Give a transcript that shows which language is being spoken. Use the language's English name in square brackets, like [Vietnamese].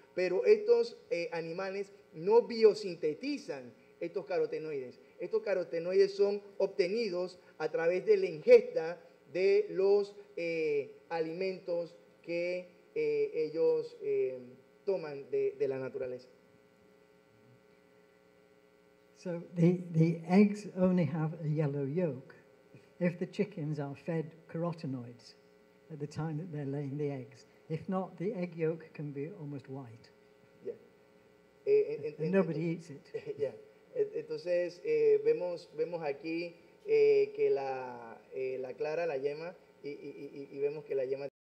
[Spanish] Pero estos animales no biosintetizan estos carotenoides. Estos carotenoides son obtenidos a través de la ingesta de los alimentos que ellos toman de la naturaleza. [English] So the eggs only have a yellow yolk if the chickens are fed carotenoids at the time that they're laying the eggs. If not, the egg yolk can be almost white. And nobody eats it. Yeah. [Spanish] Entonces vemos aquí que la clara, la yema, y vemos que la yema.